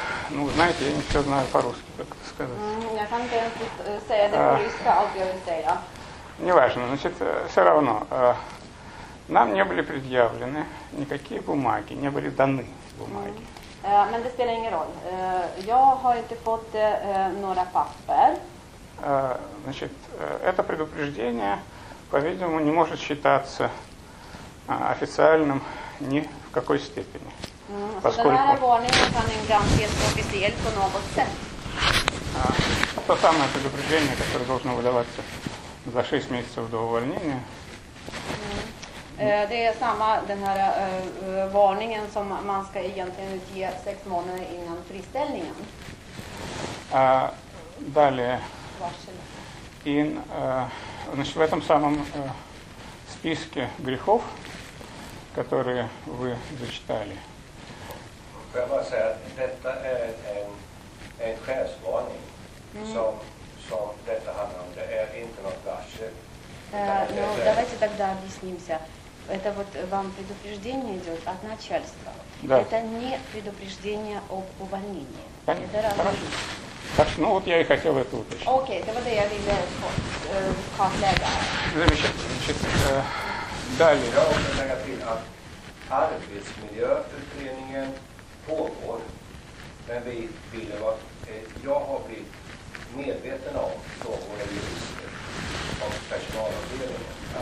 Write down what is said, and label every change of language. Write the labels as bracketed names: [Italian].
[Russian] Ну, знаете, я не все знаю по-русски, как это сказать. Неважно, значит, все равно. Нам не были предъявлены никакие бумаги, не были даны бумаги. [Swedish] Men det spelar ingen roll. Jag har inte fått några papper. [Russian] Значит, это предупреждение, по-видимому, не может считаться официальным ни в какой степени. Поскольку... [Swedish] Den här varningen kan inte anses officiell på något sätt. [Russian] Это самое предупреждение, которое должно выдаваться за 6 месяцев до увольнения. [Swedish] Det är samma den här varningen som man ska egentligen ge 6 månader innan friställningen. [Russian] Далее. [Swedish] Varsel. [Russian] Значит, в этом самом списке грехов, которые вы зачитали. [Swedish] Får jag bara säga att detta är en chefsvarning som detta handlar om. Det är inte något varsel. [Russian] Давайте тогда объяснимся. Это вот вам предупреждение идет от начальства. Да. Это не предупреждение об увольнении. Понятно. Это разница. Ну вот я и хотел это уточнить. Окей, это вот я видел в коллегах. Замечательно. Значит, далее. Я хочу добавить, что [Swedish] arbetsmiljöutredningen pågår. Men vi ville vara... Jag har blivit medveten om frågor och jurister och personalavdelningen.